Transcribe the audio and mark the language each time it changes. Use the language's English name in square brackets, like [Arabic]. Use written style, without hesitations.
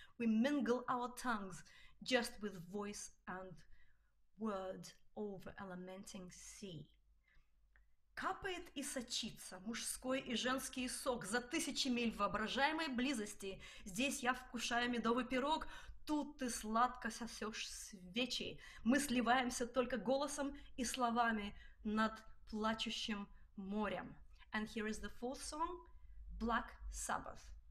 [English] We mingle our tongues just with voice and word over a lamenting sea. [Russian] Капает и сочится мужской и женский сок за тысячи миль воображаемой близости. Здесь я вкушаю медовый пирог, тут ты сладко сосешь свечи. Мы сливаемся только голосом и словами над плачущим морем. [English] And here is the fourth song, Black Sabbath.